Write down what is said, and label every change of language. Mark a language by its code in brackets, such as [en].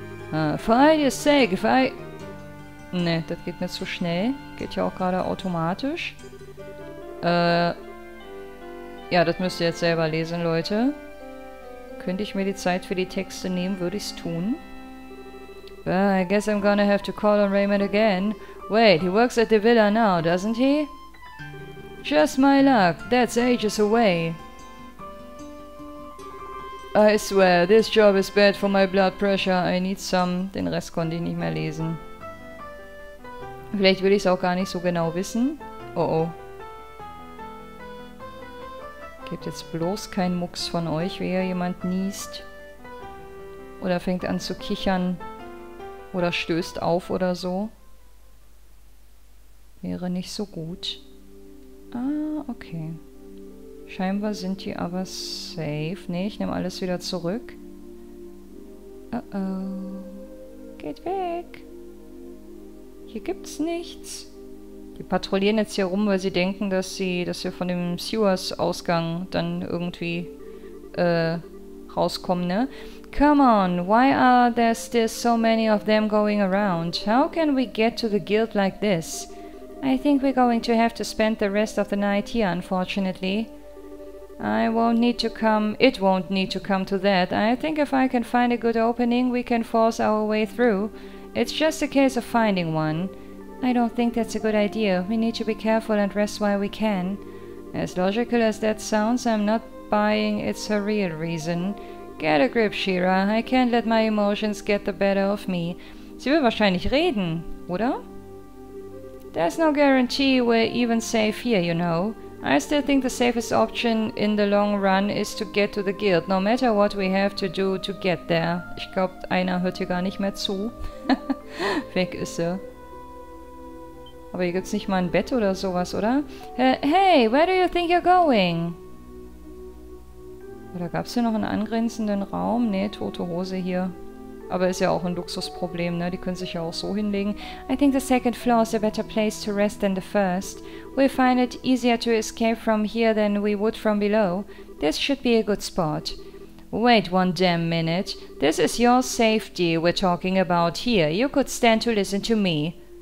[en] For idea's sake, if I... [de] Ne, das geht mir zu schnell. Geht ja auch gerade automatisch. Ja, das müsst ihr jetzt selber lesen, Leute. Könnte ich mir die Zeit für die Texte nehmen, würde ich's tun. [en] Well, I guess I'm gonna have to call on Raymond again. Wait, he works at the villa now, doesn't he? Just my luck, that's ages away. I swear, this job is bad for my blood pressure. I need some. [de] Den Rest konnte ich nicht mehr lesen. Vielleicht will ich es auch gar nicht so genau wissen. Oh oh. Gebt jetzt bloß keinen Mucks von euch, wenn hier jemand niest. Oder fängt an zu kichern. Oder stößt auf oder so. Wäre nicht so gut. Ah, okay. Scheinbar sind die aber safe. Nee, ich nehme alles wieder zurück. Uh-oh. Geht weg. Hier gibt's nichts. Die patrouillieren jetzt hier rum, weil sie denken, dass wir von dem Sewers-Ausgang dann irgendwie rauskommen, ne? [en] Come on, why are there still so many of them going around? How can we get to the guild like this? I think we're going to have to spend the rest of the night here, unfortunately. It won't need to come to that. I think if I can find a good opening, we can force our way through. It's just a case of finding one. I don't think that's a good idea. We need to be careful and rest while we can. As logical as that sounds, I'm not buying it's a real reason. Get a grip, Shira. I can't let my emotions get the better of me. [de] Sie will wahrscheinlich reden, oder? [en] There's no guarantee we're even safe here, you know. I still think the safest option in the long run is to get to the guild, no matter what we have to do to get there. [de] Ich glaube, einer hört hier gar nicht mehr zu. Weg ist er. Aber hier gibt's nicht mal ein Bett oder sowas, oder? [en] Hey, where do you think you're going? [de] Oder gab's hier noch einen angrenzenden Raum? Nee, tote Hose hier. Aber ist ja auch ein Luxusproblem, ne? Die können sich ja auch so hinlegen. [en] I think the second floor is a better place to rest than the first. We find it easier to escape from here than we would from below. This should be a good spot. Wait one damn minute. This is your safety we're talking about here. You could stand to listen to me.